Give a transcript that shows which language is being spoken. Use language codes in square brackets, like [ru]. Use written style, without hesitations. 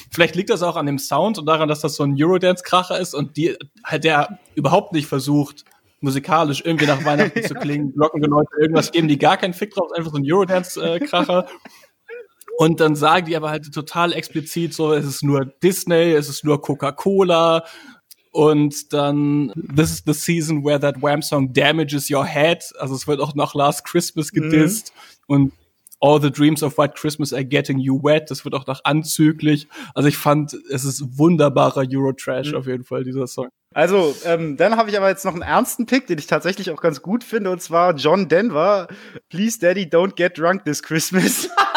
[de] Vielleicht liegt das auch an dem Sound und daran, dass das so ein Eurodance-Kracher ist und der überhaupt nicht versucht, musikalisch irgendwie nach Weihnachten zu klingen, lockige Leute, irgendwas geben, die gar keinen Fick drauf, einfach so ein Eurodance-Kracher. Und dann sagen die aber halt total explizit so, es ist nur Disney, es ist nur Coca-Cola. [en] Und dann, this is the season where that wham song damages your head. [de] Also es wird auch noch Last Christmas gedisst. Mhm. Und [en] all the dreams of white Christmas are getting you wet. [de] Das wird auch noch anzüglich. Also ich fand, es ist wunderbarer Eurotrash auf jeden Fall, dieser Song. Also, dann habe ich aber jetzt noch einen ernsten Pick, den ich tatsächlich auch ganz gut finde. Und zwar John Denver, Please Daddy Don't Get Drunk This Christmas.